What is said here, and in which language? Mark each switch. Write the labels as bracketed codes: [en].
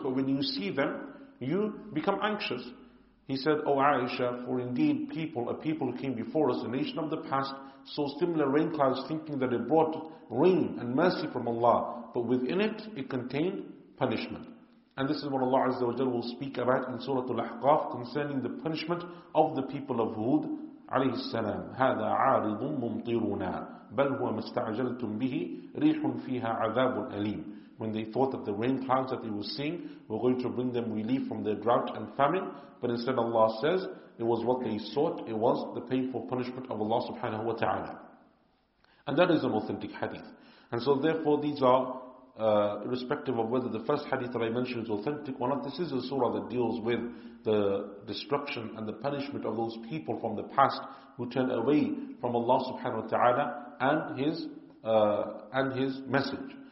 [en] But when you see them, you become anxious. He said, O Aisha, for indeed a people who came before us, a nation of the past, saw similar rain clouds, thinking that it brought rain and mercy from Allah. But within it, it contained punishment. And this is what Allah Azza wa Jalla will speak about in Surah Al-Ahqaf concerning the punishment of the people of Hud [ar] عليه السلام. هذا عارض ممطرنا بل هو ما استعجلتم به ريح فيها عذاب أليم. [en] When they thought that the rain clouds that they were seeing were going to bring them relief from their drought and famine, but instead Allah says it was what they sought, it was the painful punishment of Allah subhanahu wa ta'ala. And that is an authentic hadith. And so therefore these are irrespective of whether the first hadith that I mentioned is authentic or not, this is a surah that deals with the destruction and the punishment of those people from the past who turn away from Allah subhanahu wa ta'ala and his message.